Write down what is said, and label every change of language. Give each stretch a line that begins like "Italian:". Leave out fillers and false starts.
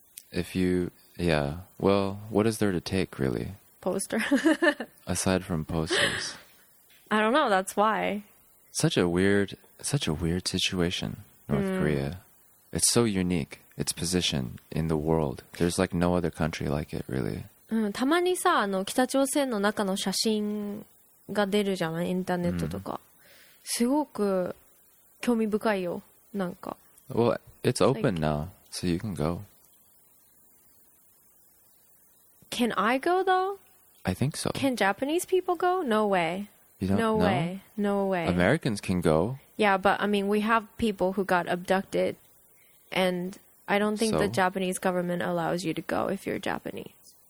English: If you... Yeah. Well, what is there to take, really? Poster. Aside from posters. I don't know. That's why. Such a weird situation, North Korea. It's so unique. Its position in the world. There's like no other country like it, really.
Japanese: うん、たまにさあの北朝鮮の中の写真が出るじゃないインターネットとか、すごく興味深いよなんか。
English: Well, it's open now, so you can go. Can I go though? I think so. Can Japanese people go? No way. You don't know? No way. No way. Americans can go. Yeah, but I mean, we have people who got abducted, and I don't think the Japanese government allows you to go if you're Japanese.